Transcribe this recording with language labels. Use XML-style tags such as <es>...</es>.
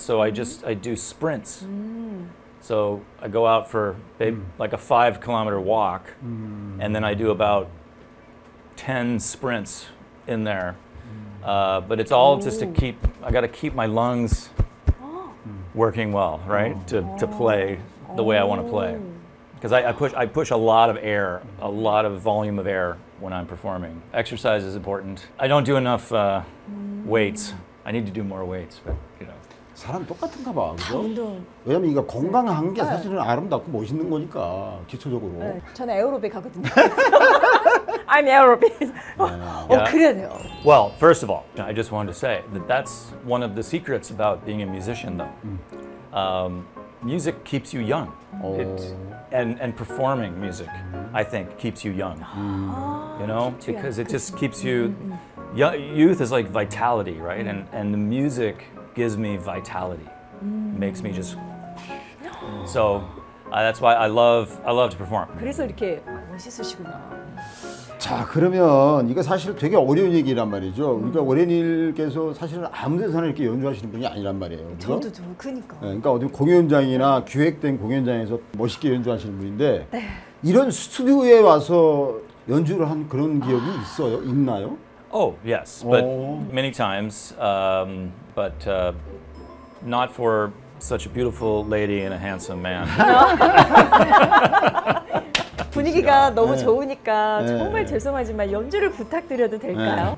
<en>So I do sprints. So I go out for like a 5 kilometer walk and then I do about 10 sprints in there, but it's all just to keep, I gotta keep my lungs working well, right? To play the way I wanna play. Because I push a lot of air, a lot of volume of air when I'm performing. Exercise is important. I don't do enough weights. I need to do more weights, but you know.</en> <ko>사람 똑같은가 봐, 그죠? 왜냐면 이거 건강한 게 사실은 아름답고 멋있는 거니까, 기초적으로. 저는 에어로빅 하거든요.</ko> <en>I'm aerobic. Oh,</en> <ko>그래요.</ko> <en>Well, first of all, I just wanted to say that that's one of the secrets about being a musician, though. Music keeps you young. And performing music, I think, keeps you young. You know, because it just keeps you. Youth is like vitality, right? And the music gives me vitality. Makes me just. So, that's why I love to perform.</en> <ko>그래서 이렇게 멋있으시구나. 자 그러면 이거 사실 되게 어려운 얘기란 말이죠. 그러니까 오레닐께서 사실은 아무 데서나 이렇게 연주하시는 분이 아니란 말이에요. 그죠? 저도 그러니까. 네, 그러니까 어디 공연장이나 기획된 공연장에서 멋있게 연주하시는 분인데 네. 이런 스튜디오에 와서 연주를 한 그런 기억이 있어요? 있나요?</ko> <en>Oh, yes. But many times. But not for such a beautiful lady and a handsome man.</en> <ko>분위기가 yeah. 너무 yeah. 좋으니까 yeah. 정말 죄송하지만 연주를 부탁드려도 될까요?</ko>